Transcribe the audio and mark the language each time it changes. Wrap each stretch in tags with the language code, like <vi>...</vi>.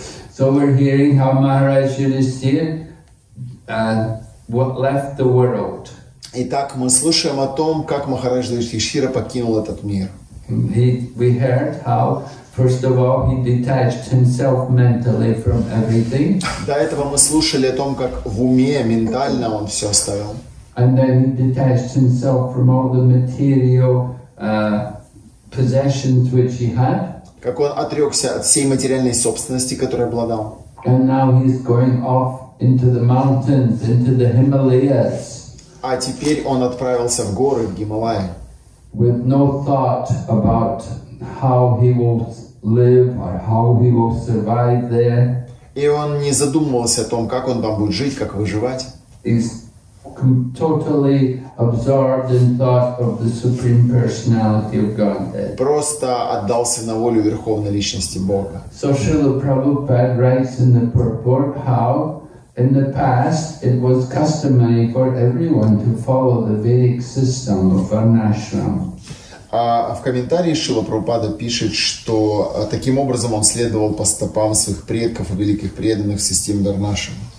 <en>So we're hearing how Maharaj Yudhisthira what left the world.</en> <ru>Итак, мы слушаем о том, как Махарадж Юдхиштхира покинул этот мир.</ru> <en>We heard how first of all, he detached himself mentally from everything.</en> <ru>До этого мы слушали о том, как в уме, ментально он все оставил.</ru> <en>And then he detached himself from all the material possessions which he had.</en> <ru>Как он отрекся от всей материальной собственности, которой обладал.</ru> <en>And now he's going off into the mountains, into the Himalayas.</en> <ru>А теперь он отправился в горы, в Гималаи.</ru> <en>With no thought about how he will live or how he will survive there.</en> <ru>И он не задумывался о том, как он там будет жить, как выживать.</ru> <en>He's totally absorbed in thought of the Supreme Personality of Godhead.</en> <ru>Просто отдался на волю Верховной Личности Бога.</ru> <en>So Srila Prabhupada writes in the purport how in the past it was customary for everyone to follow the Vedic system of Varnashram.</en> <ru>А в комментарии Шрила Прабхупада пишет, что таким образом он следовал по стопам своих предков и великих преданных в системе Дарнаша.</ru>